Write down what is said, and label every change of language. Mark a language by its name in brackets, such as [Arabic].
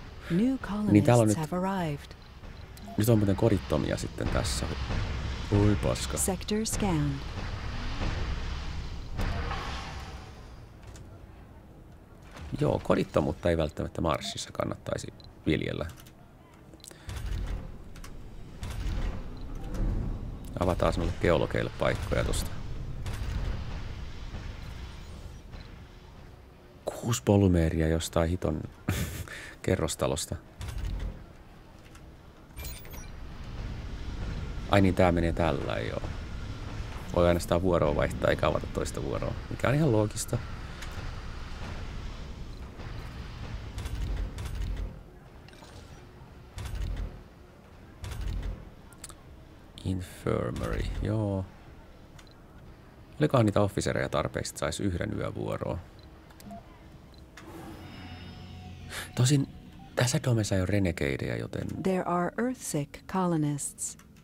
[Finnish] New colonists have arrived. Nyt on muuten kodittomia sitten tässä. Oi paska. [English] Sector scan. [Finnish] Joo, kodittomuutta ei välttämättä Marsissa kannattaisi viljellä. Avataan sinulle geologeille paikkoja tuosta. 6 polymeeriä jostain hiton kerrostalosta. Ai niin, tää menee tällä, joo. Voi ainoastaan vuoroa vaihtaa, eikä avata toista vuoroa, mikä on ihan loogista. Infirmary, joo. Olikohan niitä officereja tarpeeksi, että saisi yhden yövuoroa? Tosin tässä domessa ei ole renegadeja, joten... [English] There are earthsick colonists.